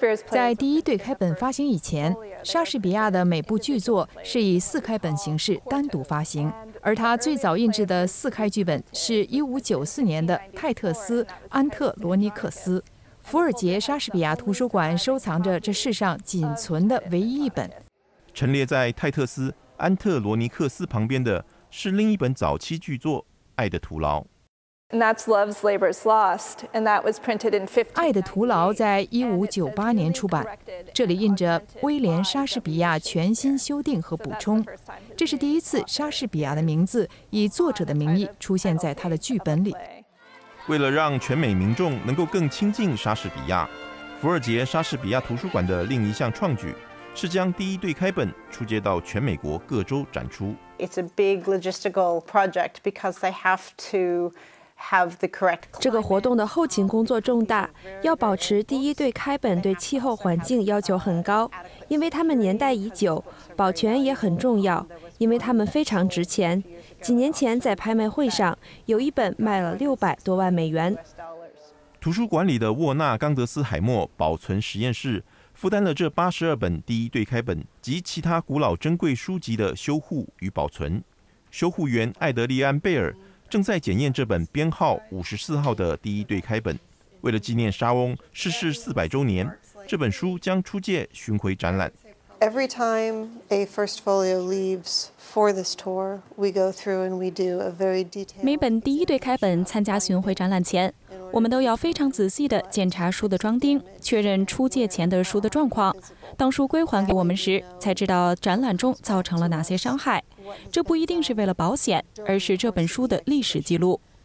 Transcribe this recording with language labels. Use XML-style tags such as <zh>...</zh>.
<zh>在第一对开本发行以前，莎士比亚的每部剧作是以4开本形式单独发行，而他最早印制的4开剧本是1594年的泰特斯·安特罗尼克斯。福尔杰莎士比亚图书馆收藏着这世上仅存的唯一一本。陈列在泰特斯·安特罗尼克斯旁边的是另一本早期剧作《爱的徒劳》。</zh> <en>And that's Love's Labour's Lost, and that was printed in 15.</en> <zh>爱的徒劳在1598年出版，这里印着威廉·莎士比亚全新修订和补充，这是第一次莎士比亚的名字以作者的名义出现在他的剧本里。为了让全美民众能够更亲近莎士比亚，福尔杰莎士比亚图书馆的另一项创举是将第一对开本出借到全美国各州展出。</zh> <en>It's a big logistical project because they have to.</en> <zh>这个活动的后勤工作重大，要保持第一对开本对气候环境要求很高，因为它们年代已久，保全也很重要，因为它们非常值钱。几年前在拍卖会上，有一本卖了600多万美元。图书馆里的沃纳·冈德斯海默保存实验室负担了这82本第一对开本及其他古老珍贵书籍的修护与保存。修护员艾德利安·贝尔正在检验这本编号54号的第一对开本，为了纪念莎翁逝世400周年，这本书将出借巡回展览。</zh> <en>Every time a first folio leaves for this tour, we go through and we do a very detailed.</en> <zh>每本第一对开本参加巡回展览前，我们都要非常仔细地检查书的装订，确认出借前的书的状况。当书归还给我们时，才知道展览中造成了哪些伤害。这不一定是为了保险，而是这本书的历史记录。</zh>